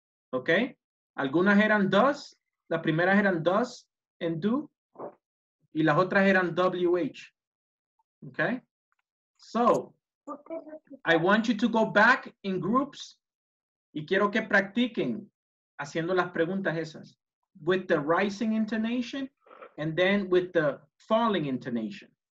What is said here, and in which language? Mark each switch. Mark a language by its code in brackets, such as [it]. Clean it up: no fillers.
[es] Okay, algunas eran does, las primeras eran does and do, y las otras eran WH. [en] Okay, so I want you to go back in groups. [es] Y quiero que practiquen haciendo las preguntas esas. [en] With the rising intonation and then with the falling intonation.